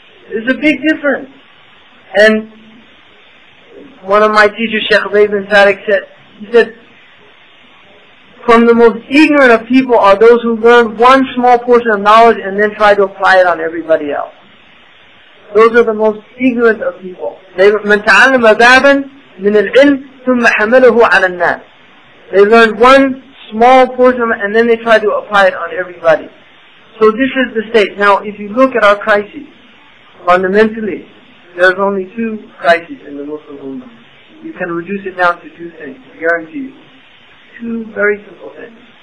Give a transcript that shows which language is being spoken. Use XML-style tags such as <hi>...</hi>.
<en>It's a big difference. And one of my teachers, Sheikh Rabin Sadiq, said, he said, from the most ignorant of people are those who learn one small portion of knowledge and then try to apply it on everybody else. Those are the most ignorant of people. They</en> <ar>من تعلم بابا من العلم ثم حمله على الناس.</ar> <en>They learn one small portion and then they try to apply it on everybody. So this is the state. Now, if you look at our crises, fundamentally, there's only two crises in the Muslim Ummah. You can reduce it down to two things, I guarantee you. Two very simple things.</en>